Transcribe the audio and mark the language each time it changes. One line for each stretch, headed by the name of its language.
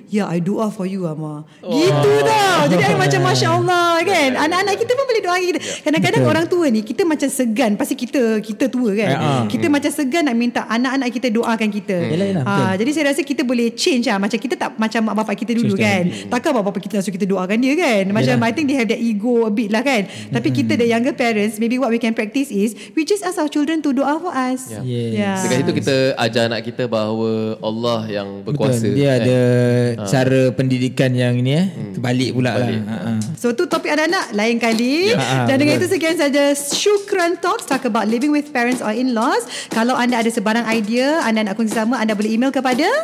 English: Yeah, I doa for you,
Malay: Amma. Gitu dah. Jadi macam Masya Allah kan. Anak-anak kita pun boleh doa kita. Kadang-kadang orang tua ni, kita macam segan. Pasti kita tua kan. Kita macam segan nak minta anak-anak kita doakan kita. Jadi saya rasa kita boleh change lah. Macam kita tak macam mak bapak kita dulu kan. Takkan mak bapak kita langsung kita doakan dia kan.
English: Macam I think they have that ego a bit lah kan.
Malay: Tapi kita
English: the younger parents, maybe what we can practice is, we just ask our children to doa for us.
Malay: Sekarang itu kita ajar anak kita bahawa Allah yang berkuasa. Betul. Dia ada cara pendidikan yang ini terbalik pula lah. So tu topik anak-anak lain kali. Dan dengan itu sekian saja Syukran Talks,
English: talk about living with parents or in-laws.
Malay: Kalau anda ada sebarang idea, anda nak kongsi sama, anda boleh email kepada